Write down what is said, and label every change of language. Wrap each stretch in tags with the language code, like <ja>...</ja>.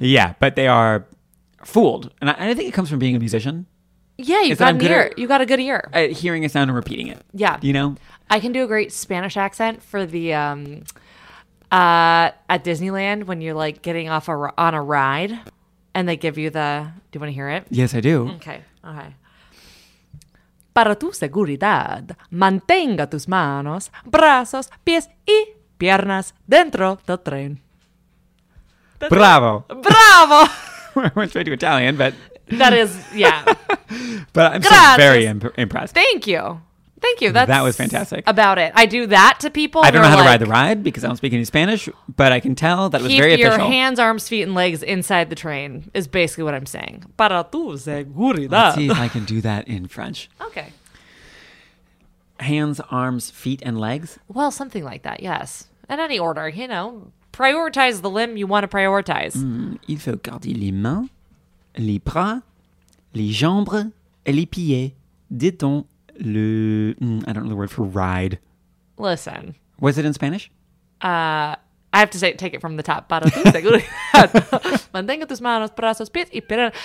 <en>Yeah, but they are fooled. And I think it comes from being a musician. Yeah, you've got an ear. You got a good ear. Hearing a sound and repeating it. Yeah. You know? I can do a great Spanish accent for the at Disneyland when you're like getting off on a ride and they give you the... Do you want to hear it? Yes, I do. Okay.</en> <es>Para tu seguridad, mantenga tus manos, brazos, pies y piernas dentro del tren.</es> <en>Bravo. Bravo. We're straight to Italian, but... That is, yeah. But I'm so very impressed. Thank you. That was fantastic. About it. I do that to people. I don't know how like, to ride the ride because I don't speak any Spanish, but I can tell that it was very official. Keep your hands, arms, feet, and legs inside the train is basically what I'm saying.</en> <es>Para tu seguridad.</es> <en>Let's see if I can do that in French. Okay. hands, arms, feet, and legs? Well, something like that, yes. In any order, you know. Prioritize the limb you want to prioritize.</en> <fr>Il faut garder les mains, les bras, les jambes, et les pieds. Dit-on le...</fr> <en>I don't know the word for ride. Listen. Was it in Spanish? I have to say, take it from the top.</en> <es>Mantenga tus manos, brazos, pies y piernas.</es>